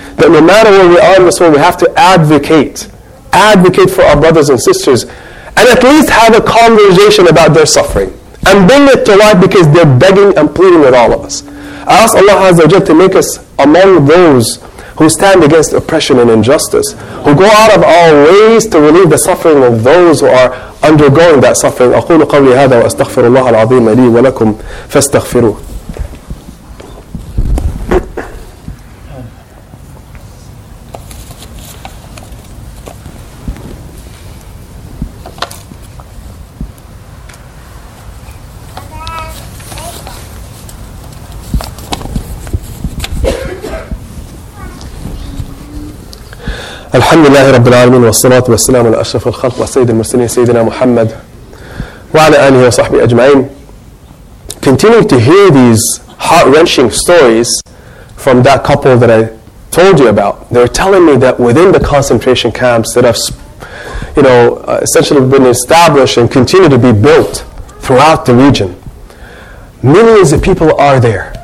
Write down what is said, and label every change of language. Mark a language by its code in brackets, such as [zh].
[en] That no matter where we are in this world, we have to advocate for our brothers and sisters, and at least have a conversation about their suffering, and bring it to light because they're begging and pleading with all of us. I ask Allah Azza wa Jal to make us among those who stand against oppression and injustice, who go out of our ways to relieve the suffering of those who are undergoing that suffering. [ar] أقول قولي هذا وأستغفر الله العظيم لي ولكم فاستغفروه. الحمد لله رب العالمين والصلاة والسلام على أشرف الخلق وسيد المرسلين سيدنا محمد وعلى آله وصحبه أجمعين. [en] Continuing to hear these heart-wrenching stories from that couple that I told you about, they were telling me that within the concentration camps that have, you know, essentially been established and continue to be built throughout the region, millions of people are there.